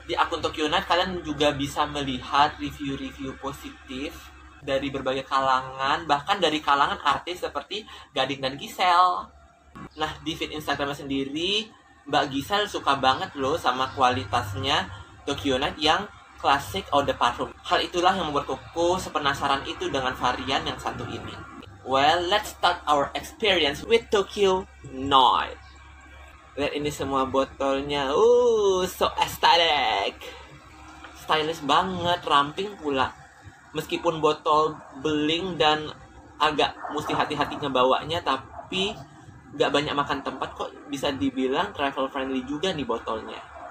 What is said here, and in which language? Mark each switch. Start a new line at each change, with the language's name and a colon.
Indonesian: Di akun Tokyo Night kalian juga bisa melihat review-review positif dari berbagai kalangan, bahkan dari kalangan artis seperti Gading dan Giselle. Nah, di feed Instagramnya sendiri, Mbak Gisel suka banget loh sama kualitasnya Tokyo Night yang klasik Eau de Parfum. Hal itulah yang membuat Koko sepenasaran itu dengan varian yang satu ini.
English: Well, let's start our experience with Tokyo Night.
Indonesian: Lihat ini semua botolnya,
English: so aesthetic.
Indonesian: Stylish banget, ramping pula. Meskipun botol beling dan agak mesti hati-hati ngebawanya, tapi gak banyak makan tempat kok, bisa dibilang travel friendly juga nih botolnya.